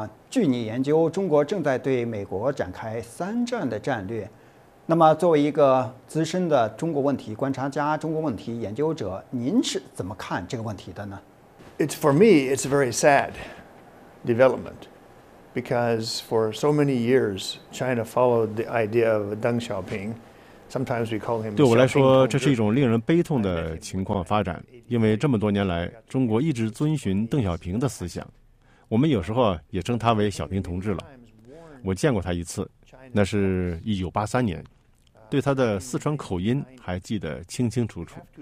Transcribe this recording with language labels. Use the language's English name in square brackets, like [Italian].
[Chinese] 据你研究，中国正在对美国展开三战的战略。那么作为一个资深的中国问题观察家、中国问题研究者，您是怎么看这个问题的呢？ [English] It's for me, it's a very sad development. Because for so many years, China followed the idea of Deng Xiaoping, [Chinese] 对我来说，这是一种令人悲痛的情况发展，因为这么多年来，中国一直遵循邓小平的思想，我们有时候也称他为小平同志了。我见过他一次，那是1983年，对他的四川口音还记得清清楚楚。